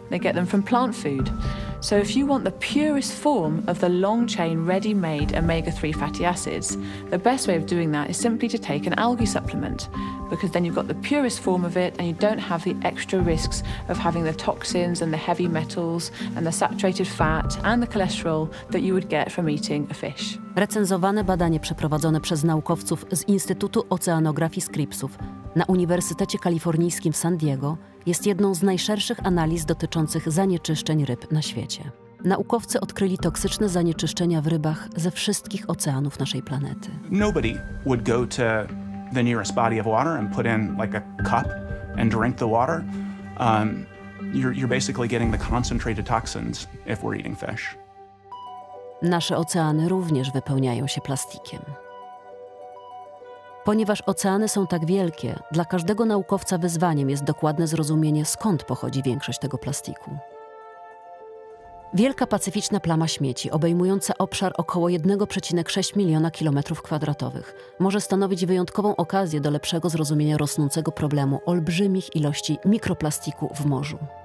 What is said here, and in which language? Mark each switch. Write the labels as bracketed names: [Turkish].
[English] They get them from plant food. So if you want the purest form of the long chain ready-made omega-3 fatty acids, the best way of doing that is simply to take an algae supplement, because then you've got the purest form of it and you don't have the extra risks of having the toxins and the heavy metals and the saturated fat and the cholesterol that you would get from eating a fish. [Polish] Recenzowane badanie przeprowadzone przez naukowców z Instytutu Oceanografii Scripps'ów na Uniwersytecie Kalifornijskim w San Diego jest jedną z najszerszych analiz dotyczących zanieczyszczeń ryb na świecie. Naukowcy odkryli toksyczne zanieczyszczenia w rybach ze wszystkich oceanów naszej planety. [English] Nobody would go to the nearest body of water and put in like a cup and drink the water. You're basically getting the concentrated toxins if we're eating fish. [Polish] Nasze oceany również wypełniają się plastikiem. Ponieważ oceany są tak wielkie, dla każdego naukowca wyzwaniem jest dokładne zrozumienie, skąd pochodzi większość tego plastiku. Wielka pacyficzna plama śmieci, obejmująca obszar około 1,6 miliona kilometrów kwadratowych, może stanowić wyjątkową okazję do lepszego zrozumienia rosnącego problemu olbrzymich ilości mikroplastiku w morzu.